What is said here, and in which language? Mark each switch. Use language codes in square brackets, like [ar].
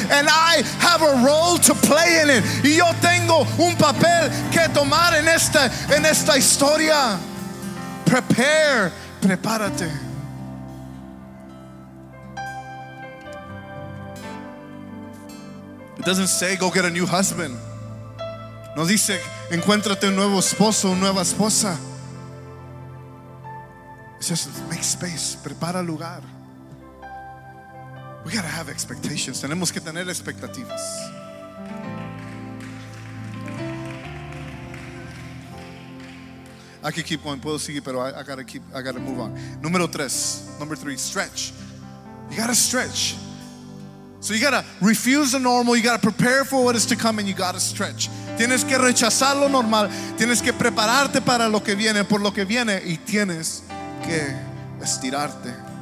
[en] And I have a role to play in it. [es] Y yo tengo un papel que tomar en esta historia. [en] Prepare, prepárate. [es] It doesn't say go get a new husband. No dice encuéntrate un nuevo esposo, una nueva esposa. [en] It says make space, prepara lugar. We gotta have expectations. Tenemos que tener expectativas. I can keep going, puedo seguir, pero I gotta move on. Number three, stretch. You gotta stretch. So you gotta refuse the normal, you gotta prepare for what is to come, and you gotta stretch. [es] Tienes que rechazar lo normal, tienes que prepararte para lo que viene, por lo que viene, y tienes que estirarte.